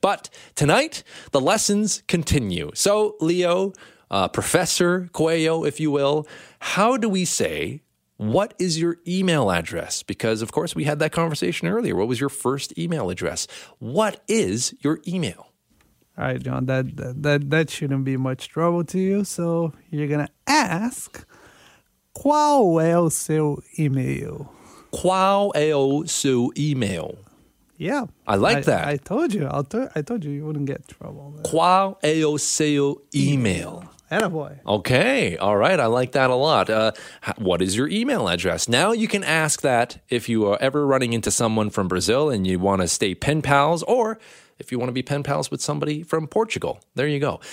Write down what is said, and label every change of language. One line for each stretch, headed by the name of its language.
English: But tonight, the lessons continue. So, Leo, Professor Coelho, if you will, how do we say, what is your email address? Because, of course, we had that conversation earlier. What was your first email address? What is your email? All right, John, that shouldn't be much trouble to you. So you're going to ask,
Portuguese: qual é o seu e-mail? Qual é o seu e-mail?
English: Yeah. I like that. I told you. I told you you wouldn't get trouble.
Portuguese: Qual é o seu e-mail?
English: Attaboy. Okay. All right. I like that a lot. What is your email address? Now you can ask that if you are ever running into someone from Brazil and you want to stay pen pals, or if you want to be pen pals with somebody from Portugal. There you go.